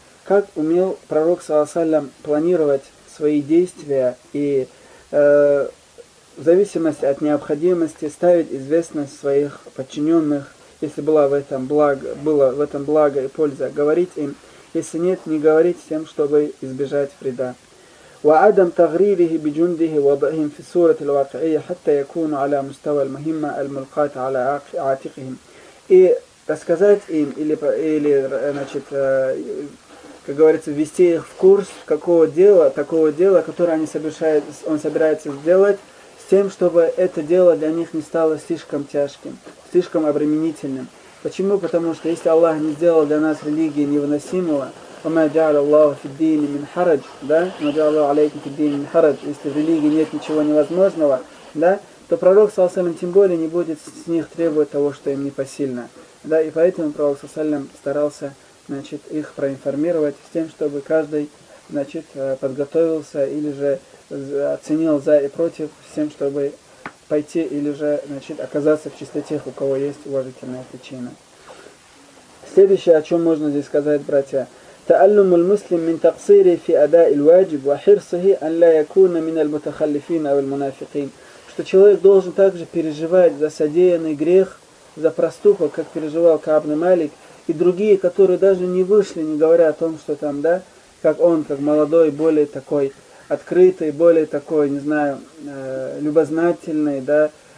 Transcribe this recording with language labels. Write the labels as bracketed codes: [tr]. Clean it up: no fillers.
[ru] Как умел пророк, саллаллаху алейхи ва саллям, планировать свои действия и в зависимости от необходимости ставить известность своих подчиненных, если было в этом благо и польза, говорить им, если нет, не говорить тем, чтобы избежать вреда. [ar] وعدم تغريره بجنده وضعهم في الصورة الواقعية حتى يكونوا على مستوى المهمة الملقاة على عاتقهم. [ru] И рассказать им или значит, как говорится, ввести их в курс такого дела, которое он собирается сделать, с тем, чтобы это дело для них не стало слишком тяжким, слишком обременительным. Почему? Потому что если Аллах не сделал для нас религии невыносимого, [ar] وَمَا جَعَلَ اللَّهُ فِي الدِّينِ مِنْ حَرَجٍ, [ru] да? [ar] وَمَا جَعَلَ اللَّهُ عَلَيْكُمْ فِي الدِّينِ مِنْ حَرَجٍ, [ru] если в религии нет ничего невозможного, да, то пророк, саллаллаху алейхи ва саллям, тем более не будет с них требовать того, что им непосильно. Да, и поэтому пророк, саллаллаху алейхи ва саллям, старался, значит, их проинформировать с тем, чтобы каждый, значит, подготовился или же оценил за и против, с тем, чтобы пойти или же, значит, оказаться в числе тех, у кого есть уважительная причина. Следующее, о чем можно здесь сказать, братья, [ar] تألم المسلم من تقصيره في أداء الواجب وحرصه أن لا يكون من المتخلفين أو المنافقين. [ru] Что человек должен также переживать за содеянный грех, за проступок, как переживал Кааб ибн Малик, и другие, которые даже не вышли, не говоря о том, что там, да, как он, как молодой, более такой открытый, более такой, не знаю, любознательный, да,